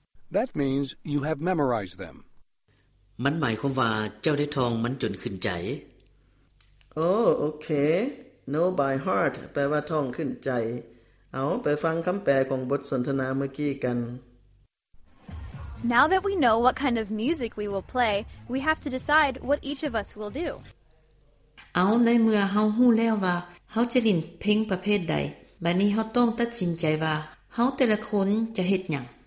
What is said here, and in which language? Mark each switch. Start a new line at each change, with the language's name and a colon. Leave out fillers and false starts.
English: That means you have memorized them
Northeastern Thai: มันหมายความว่าเจ้าได้ท่องมันจนขึ้นใจ โอ้โอเค
English: know by heart
Northeastern Thai: แปลว่าท่องขึ้นใจเอาไปฟังคำแปลของบทสนทนาเมื่อกี้กัน
English: Now that we know what kind of music we will play, we have to decide what each of us will do.
Northeastern Thai: เอาในเมื่อเฮาฮู้แล้วว่าเฮาจะเล่นเพลงประเภทใดบัดนี้เฮาต้องตัดสินใจว่าเฮาแต่ละคนจะเฮ็ดหยัง